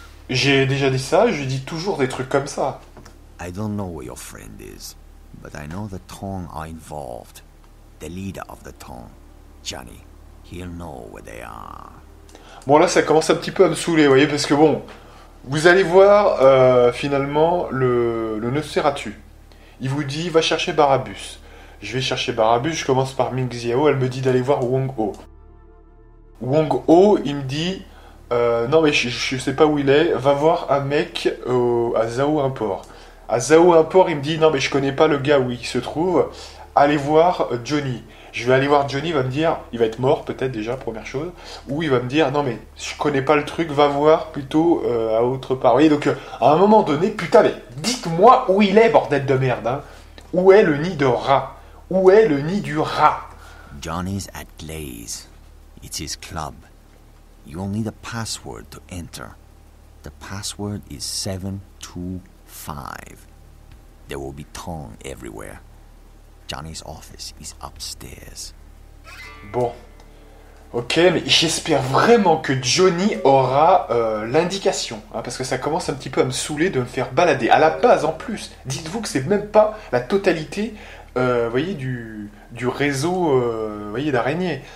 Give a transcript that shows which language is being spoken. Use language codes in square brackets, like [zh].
[fr] J'ai déjà dit ça, je dis toujours des trucs comme ça. [en] I don't know where your friend is, but I know the Tong are involved. The leader of the Tong, Johnny, he'll know where they are. [fr] Bon, là, ça commence un petit peu à me saouler, vous voyez, parce que bon. Vous allez voir finalement le Nosferatu. Il vous dit va chercher Barabbas. Je vais chercher Barabbas, je commence par Ming Xiao, elle me dit d'aller voir Wong Ho. Wong Ho, il me dit non mais je sais pas où il est, va voir un mec à Zhao Import. À Zhao Import, il me dit non mais je connais pas le gars où il se trouve, allez voir Johnny. Je vais aller voir Johnny, il va me dire, il va être mort peut-être déjà, première chose, ou il va me dire, non mais je connais pas le truc, va voir plutôt à autre part. Vous voyez, donc à un moment donné, putain, mais dites-moi où il est, bordel de merde, hein. Où est le nid de rat? Où est le nid du rat? [en] Johnny's at Glaze. It's his club. You will need a password to enter. The password is 725. There will be Tong everywhere. Johnny's office is upstairs. [fr] Bon. Ok, mais j'espère vraiment que Johnny aura l'indication. Hein, parce que ça commence un petit peu à me saouler de me faire balader. À la base, en plus. Dites-vous que c'est même pas la totalité. Voyez, du réseau voyez, d'araignées.